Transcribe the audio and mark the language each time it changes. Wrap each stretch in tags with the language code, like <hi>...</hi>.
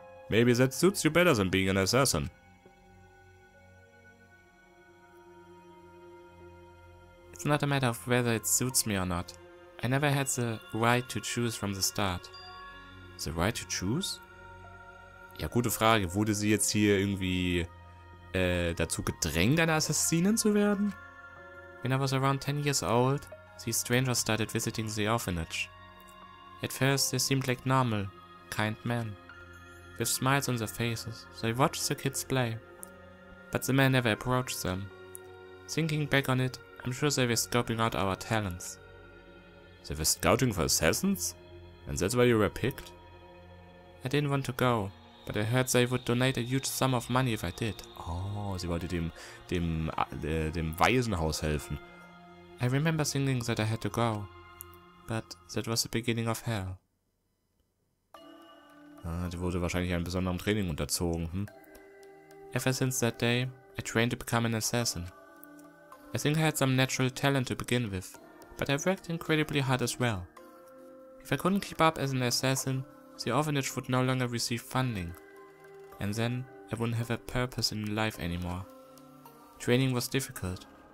<en>Maybe that suits you better than being an assassin. It's not a matter of whether it suits me or not. I never had the right to choose from the start. The right to choose?</en> <de>Ja, gute Frage. Wurde sie jetzt hier irgendwie dazu gedrängt, eine Assassinin zu werden?</de> <en>When I was around 10 years old, these strangers started visiting the orphanage. At first, they seemed like normal, kind men. With smiles on their faces, they watched the kids play. But the men never approached them. Thinking back on it, I'm sure they were scoping out our talents. They were scouting for assassins? And that's why you were picked? I didn't want to go, but I heard they would donate a huge sum of money if I did.</en> <de>Oh, sie wollte dem Waisenhaus helfen.</de> <en>I remember thinking that I had to go, but that was the beginning of hell.</en> <de>Ah, sie wurde wahrscheinlich einem besonderen Training unterzogen, hm?</de> <en>Ever since that day, I trained to become an assassin. I think I had some natural talent to begin with, but I worked incredibly hard as well. If I couldn't keep up as an assassin, the orphanage would no longer receive funding. And then, I wouldn't have a purpose in life anymore. Training was difficult.</en>